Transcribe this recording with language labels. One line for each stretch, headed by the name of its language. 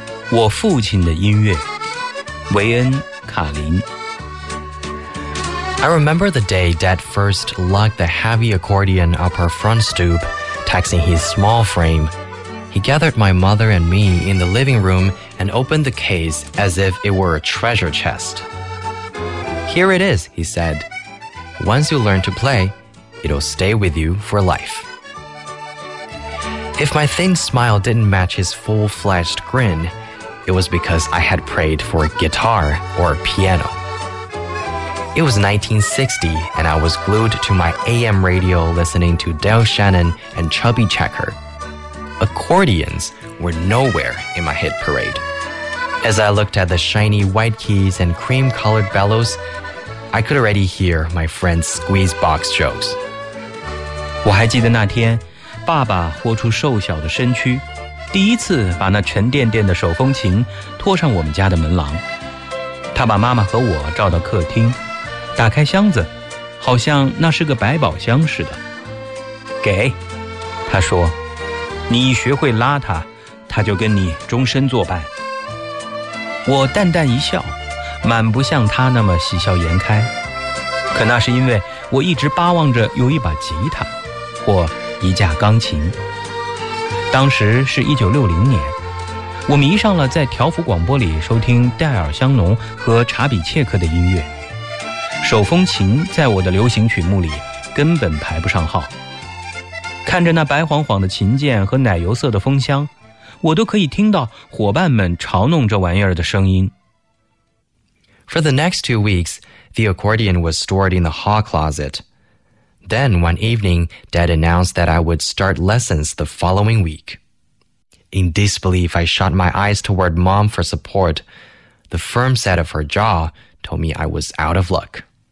Chinese: 我父亲的音乐，维恩·卡林。
English: I remember the day Dad first lugged the heavy accordion up our front stoop, taxing his small frame. He gathered my mother and me in the living room and opened the case as if it were a treasure chest. Here it is, he said. Once you learn to play, it'll stay with you for life. If my thin smile didn't match his full-fledged grin, it was because I had prayed for a guitar or a piano. It was 1960, and I was glued to my AM radio listening to Dale Shannon and Chubby Checker. Accordions were nowhere in my hit parade. As I looked at the shiny white keys and cream-colored bellows, I could already hear my friend's squeeze box jokes.
Chinese: 我还记得那天，爸爸豁出瘦小的身躯，第一次把那沉甸甸的手风琴拖上我们家的门廊。他把妈妈和我召到客厅。打开箱子，好像那是个百宝箱似的。给，他说，你学会拉它，它就跟你终身作伴。我淡淡一笑，满不像他那么喜笑颜开，可那是因为我一直巴望着有一把吉他，或一架钢琴。当时是1960年，我迷上了在条幅广播里收听戴尔·香农和查比切克的音乐。手风琴在我的流行曲目里根本排不上号。看着那白晃晃的琴键和奶油色的风箱，我都可以听到伙伴们嘲弄这玩意儿的声音。
English: For the next 2 weeks, the accordion was stored in the hall closet. Then, one evening, Dad announced that I would start lessons the following week. In disbelief, I shut my eyes toward Mom for support. The firm set of her jaw... told me I was out of luck.